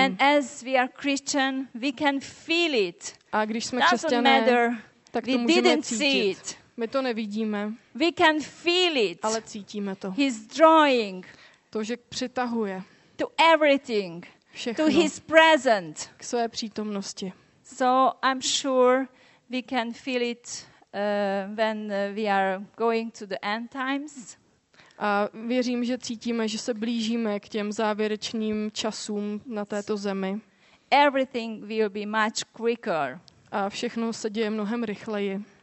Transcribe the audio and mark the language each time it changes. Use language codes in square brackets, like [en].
[en] And as we are Christian, we can feel it. [cs] A když jsme křesťané, tak to můžeme cítit. My to nevidíme. [en] We can feel it. [cs] Ale cítíme to. [en] He's drawing. [cs] To, že přitahuje. [en] To everything. [cs] Všechno. [en] To his present. [cs] K své přítomnosti. [en] So I'm sure we can feel it when we are going to the end times. [cs] A věřím, že cítíme, že se blížíme k těm závěrečným časům na této zemi. [en] Everything will be much quicker. [cs] A všechno se děje mnohem rychleji.